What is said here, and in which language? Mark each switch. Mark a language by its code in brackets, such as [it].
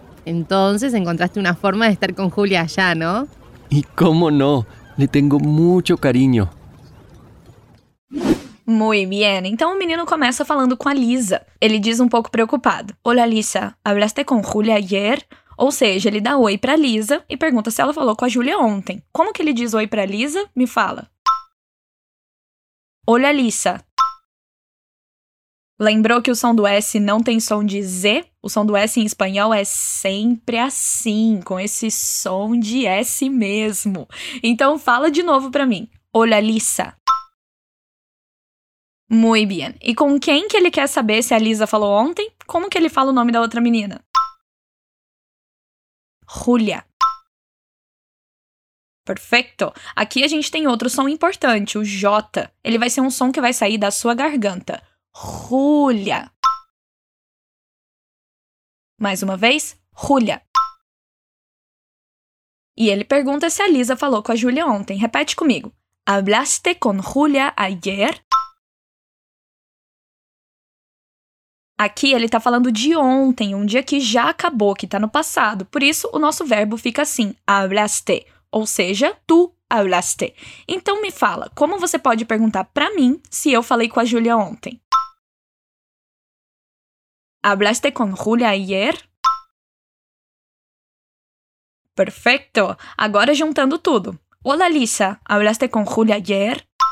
[es] Entonces encontraste una forma de estar con Julia allá, ¿no? Y cómo no, le tengo mucho cariño. Muy bien, entonces el menino comienza hablando con Lisa. Él dice un poco preocupado. Hola Lisa, ¿hablaste con Julia ayer? [pt] Ou seja, ele dá oi pra Lisa e pergunta se ela falou com a Júlia ontem. Como que ele diz oi pra Lisa? Me fala. Olha, Lisa. Lembrou que o som do S não tem som de Z? O som do S em espanhol é sempre assim, com esse som de S mesmo. Então, fala de novo pra mim. Olha, Lisa. [es] Muy bien. [pt] E com quem que ele quer saber se a Lisa falou ontem? Como que ele fala o nome da outra menina? Julia. Perfeito. Aqui a gente tem outro som importante, o J. Ele vai ser um som que vai sair da sua garganta. Julia. Mais uma vez. Julia. E ele pergunta se a Lisa falou com a Julia ontem. Repete comigo. [es] ¿Hablaste con Julia ayer? [pt] Aqui ele está falando de ontem, um dia que já acabou, que está no passado. Por isso, o nosso verbo fica assim, hablaste, ou seja, tu hablaste. Então me fala, como você pode perguntar para mim se eu falei com a Julia ontem? [es] ¿Hablaste con Julia ayer? [pt] Perfeito! Agora juntando tudo. [es] Hola Lisa, ¿hablaste con Julia ayer?